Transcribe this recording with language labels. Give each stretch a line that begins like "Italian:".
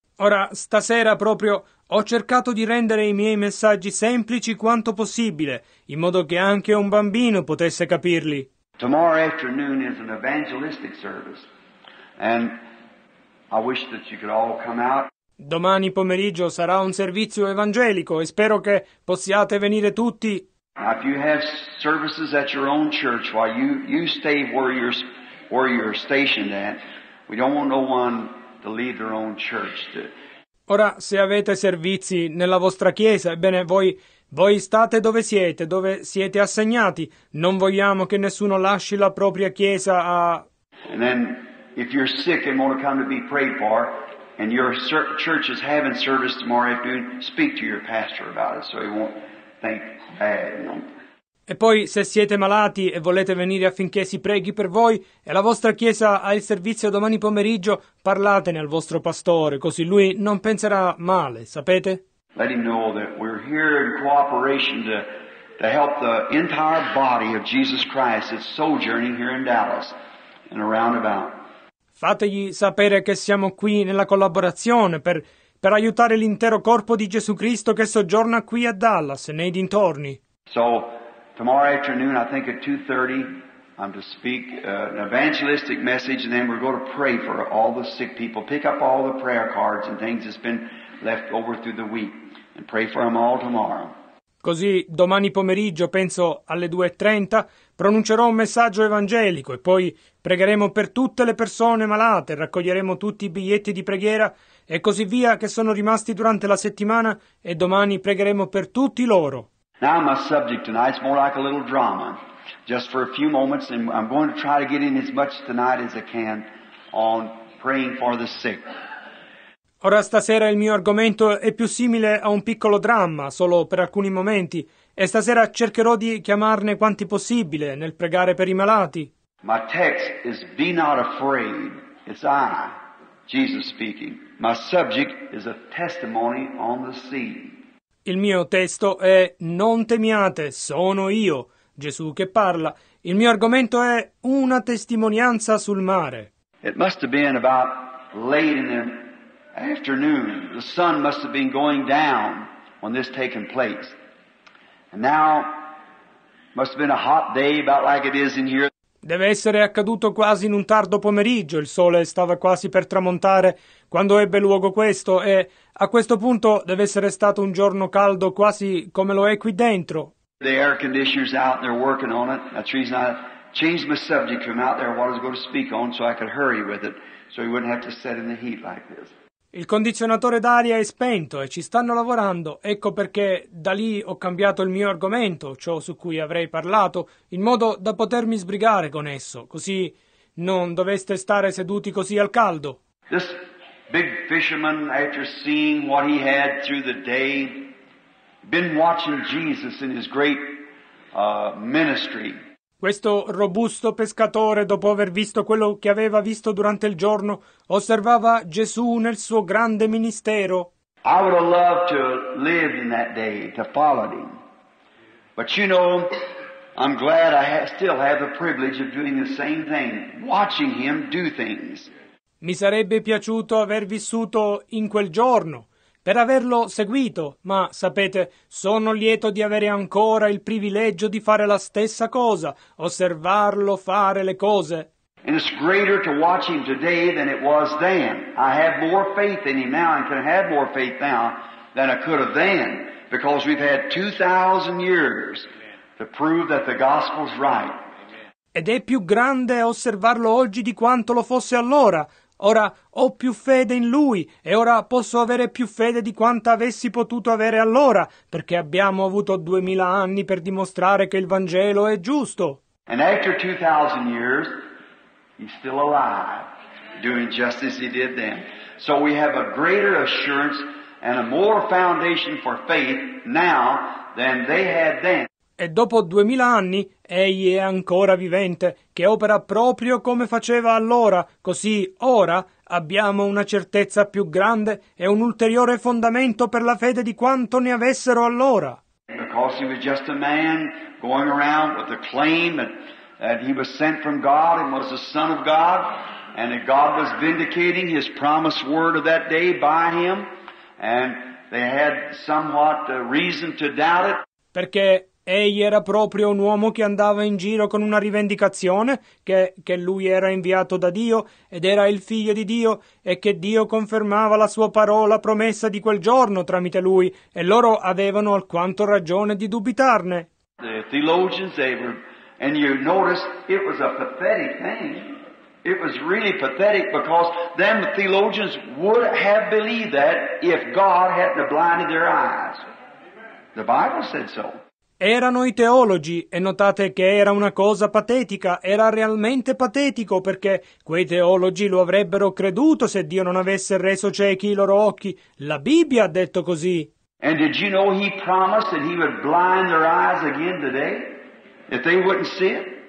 Italian: Ora, stasera proprio, ho cercato di rendere i miei messaggi semplici quanto possibile, in modo che anche un bambino potesse capirli.
English: Tomorrow afternoon is an evangelistic service, and I wish that you could all come out.
Italian: Domani pomeriggio sarà un servizio evangelico e spero che possiate venire tutti.
English: Now, if you have services at your own church, while you stay where you're stationed at, we don't want no one to leave their own church.
Italian: Ora, se avete servizi nella vostra chiesa, ebbene, voi state dove siete assegnati. Non vogliamo che nessuno lasci la propria chiesa a...
English: And then if you're sick and want to come to be prayed for, and your church is having service tomorrow afternoon, speak to your pastor about it so he won't think bad.
Italian: E poi se siete malati e volete venire affinché si preghi per voi e la vostra chiesa ha il servizio domani pomeriggio, parlatene al vostro pastore, così lui non penserà male, sapete?
English: Let him know that we're here in cooperation to help the entire body of Jesus Christ that's sojourning here in Dallas and around about.
Italian: Fategli sapere che siamo qui nella collaborazione per aiutare l'intero corpo di Gesù Cristo che soggiorna qui a Dallas e nei dintorni.
English: So, tomorrow afternoon, I think at 2:30, I'm to speak an evangelistic message, and then we're going to pray for all the sick people. Pick up all the prayer cards and things that's been left over through the week, and pray for them all tomorrow.
Italian: Così, domani pomeriggio, penso alle 2:30, pronuncerò un messaggio evangelico e poi pregheremo per tutte le persone malate, raccoglieremo tutti i biglietti di preghiera e così via che sono rimasti durante la settimana e domani pregheremo per tutti loro.
English: Now my subject tonight is more like a little drama, just for a few moments, and I'm going to try to get in as much tonight as I can on praying for the sick.
Italian: Ora stasera il mio argomento è più simile a un piccolo dramma, solo per alcuni momenti, e stasera cercherò di chiamarne quanti possibile nel pregare per i malati.
English: My text is be not afraid, it's I, Jesus speaking. My subject is a testimony on the sea.
Italian: Il mio testo è non temiate, sono io, Gesù che parla. Il mio argomento è una testimonianza sul mare.
English: It must have been about late in the afternoon. The sun must have been going down when this taken place. And now must have been a hot day about like it is in here.
Italian: Deve essere accaduto quasi in un tardo pomeriggio, il sole stava quasi per tramontare quando ebbe luogo questo e a questo punto deve essere stato un giorno caldo quasi come lo è qui dentro.
English: The air conditioner's out and they're working on it. That's the reason I changed my subject from out there what I was going to speak on so I could hurry with it so he wouldn't have to sit in the heat like this.
Italian: Il condizionatore d'aria è spento e ci stanno lavorando, ecco perché da lì ho cambiato il mio argomento, ciò su cui avrei parlato, in modo da potermi sbrigare con esso, così non doveste stare seduti così al caldo.
English: This big fisherman, after seeing what he had through the day, been watching Jesus in his great ministry.
Italian: Questo robusto pescatore, dopo aver visto quello che aveva visto durante il giorno, osservava Gesù nel suo grande ministero.
English: I would have loved to live in that day, to follow him. But you know, I'm glad I still have the privilege of doing the same thing, watching him do things.
Italian: Mi sarebbe piaciuto aver vissuto in quel giorno, per averlo seguito, ma sapete, sono lieto di avere ancora il privilegio di fare la stessa cosa, osservarlo fare le cose.
English: And it's greater to watch him today than it was then. I have more faith in him now and can have more faith now than I could have then, because we've had 2,000 years to prove that the gospel's right.
Italian: Ed è più grande osservarlo oggi di quanto lo fosse allora. Ora ho più fede in Lui e ora posso avere più fede di quanta avessi potuto avere allora, perché abbiamo avuto 2,000 anni per dimostrare che il Vangelo è giusto.
English: And after 2,000 years, he's still alive, doing just as he did then. So we have a greater assurance and a more foundation for faith now than they had then.
Italian: E dopo 2,000 anni, egli è ancora vivente, che opera proprio come faceva allora, così ora abbiamo una certezza più grande e un ulteriore fondamento per la fede di quanto ne avessero allora.
English: Because he was just a man going around with the claim that he was sent from God and was the Son of God, and that God was vindicating his promised word of that day by him, and they had somewhat reason to doubt it.
Italian: Perché egli era proprio un uomo che andava in giro con una rivendicazione che lui era inviato da Dio ed era il figlio di Dio e che Dio confermava la sua parola promessa di quel giorno tramite lui e loro avevano alquanto ragione di dubitarne.
English: The theologians, they were, and you notice it was a pathetic thing. It was really pathetic because them theologians would have believed that if God hadn't blinded their eyes. The Bible said so.
Italian: Erano i teologi, e notate che era una cosa patetica, era realmente patetico, perché quei teologi lo avrebbero creduto se Dio non avesse reso ciechi i loro occhi. La Bibbia ha detto così.
English: And did you know he promised that he would blind their eyes again today, if they wouldn't see it?